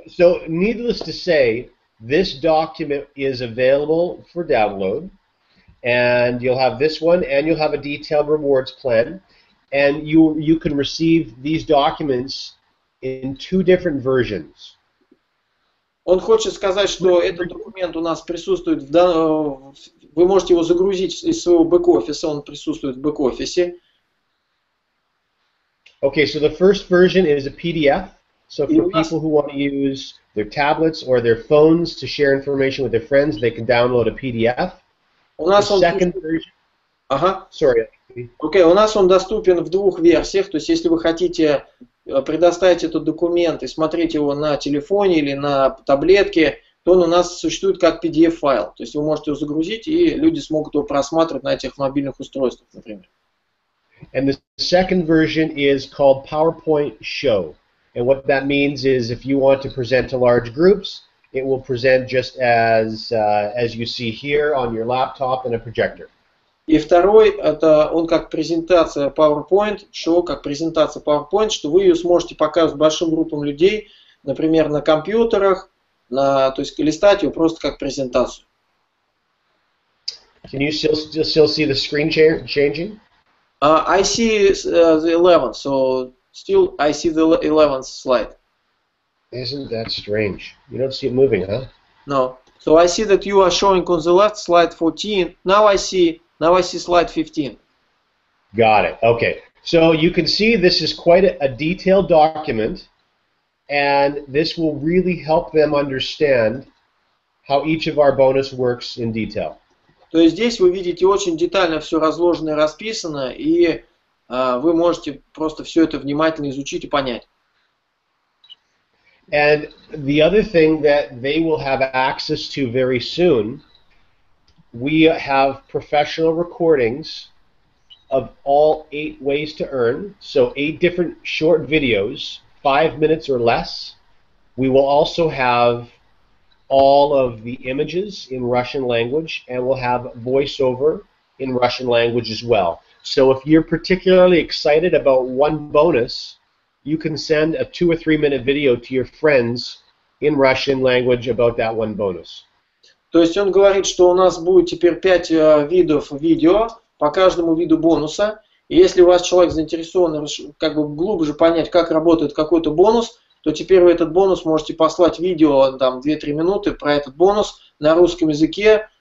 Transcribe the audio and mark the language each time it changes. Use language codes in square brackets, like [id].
[en] So needless to say, this document is available for download. And you'll have this one, and you'll have a detailed rewards plan. And you can receive these documents in two different versions. [ru] Он хочет сказать, что этот документ у нас присутствует, вы можете его загрузить из своего бэк-офиса, он присутствует в бэк-офисе. [en] Okay, so the first version is a PDF, so for people who want to use their tablets or their phones to share information with their friends, they can download a PDF. [ru] У нас он доступен в двух версиях, то есть если вы хотите предоставить этот документ и смотреть его на телефоне или на таблетке, то он у нас существует как PDF-файл. То есть вы можете его загрузить, и люди смогут его просматривать на этих мобильных устройствах, например. [en] And the second version is called PowerPoint Show. And what that means is if you want to present to large groups, it will present just as you see here on your laptop and a projector. [ru] И второй, это он как презентация PowerPoint, что как презентация PowerPoint, что вы ее сможете показывать большим группам людей, например, на компьютерах, на, то есть листать ее просто как презентацию. [en] Can you still see the screen changing? I see the 11th, so still I see the 11th slide. Isn't that strange? You don't see it moving, huh? No. So I see that you are showing on the left slide 14. Now I see slide 15. Got it. Okay. So you can see this is quite a detailed document, and this will really help them understand how each of our bonus works in detail. [ru] То есть здесь вы видите очень детально все разложено и расписано, и вы можете просто все это внимательно изучить и понять. [en] And the other thing that they will have access to very soon, we have professional recordings of all 8 ways to earn, so 8 different short videos, 5 minutes or less. We will also have all of the images in Russian language, and we'll have voiceover in Russian language as well. So if you're particularly excited about one bonus, you can send a 2 or 3 minute video to your friends in Russian language about that one bonus. [ru] То есть он говорит, что у нас будет теперь 5 видов видео по каждому виду бонуса. И если у вас человек заинтересован как бы глубже понять, как работает какой-то бонус, то теперь вы этот бонус можете послать видео, там, 2-3 минуты про этот бонус на русском языке.